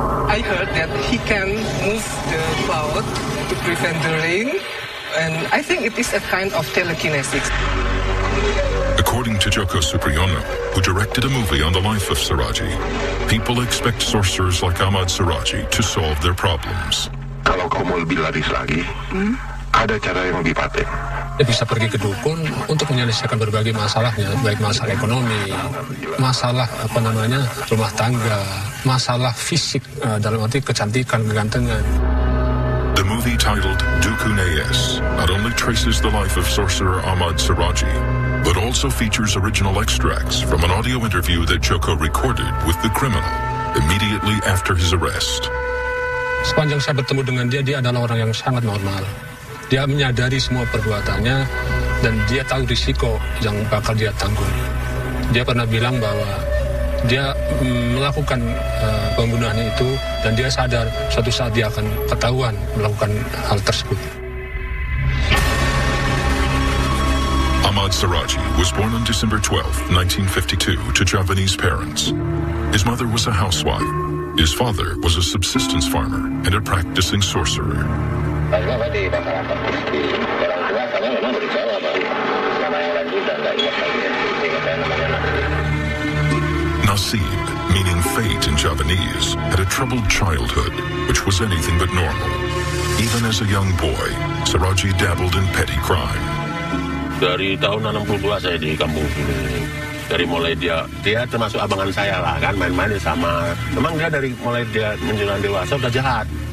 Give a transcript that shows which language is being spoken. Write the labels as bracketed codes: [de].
[en] I heard that he can move the cloud to prevent the rain, and I think it is a kind of telekinesis. According to Joko Supriyono, who directed a movie on the life of Suradji, people expect sorcerers like Ahmad Suradji to solve their problems. [id] Kalau kau mau lebih laris lagi, ada cara yang lebih patent. Dia bisa pergi ke dukun untuk menyelesaikan berbagai masalahnya, baik masalah ekonomi, masalah apa namanya rumah tangga, masalah fisik dalam arti kecantikan, kegantengan. [en] The movie titled Dukun AS not only traces the life of sorcerer Ahmad Suradji, but also features original extracts from an audio interview that Joko recorded with the criminal immediately after his arrest. [id] Sepanjang saya bertemu dengan dia, dia adalah orang yang sangat normal. Dia menyadari semua perbuatannya dan dia tahu risiko yang bakal dia tanggung. Dia pernah bilang bahwa dia melakukan pembunuhan itu dan dia sadar suatu saat dia akan ketahuan melakukan hal tersebut. [en] Ahmad Suradji was born on December 12, 1952, to Javanese parents. His mother was a housewife. His father was a subsistence farmer and a practicing sorcerer. Nasib, meaning fate in Javanese, had a troubled childhood, which was anything but normal. Even as a young boy, Suradji dabbled in petty crime. [id] Dari tahun 62 saya di kampung sini. Dari mulai dia, dia termasuk abangan saya lah kan, main-main sama. Memang dia dari mulai dia menjelang dewasa udah jahat.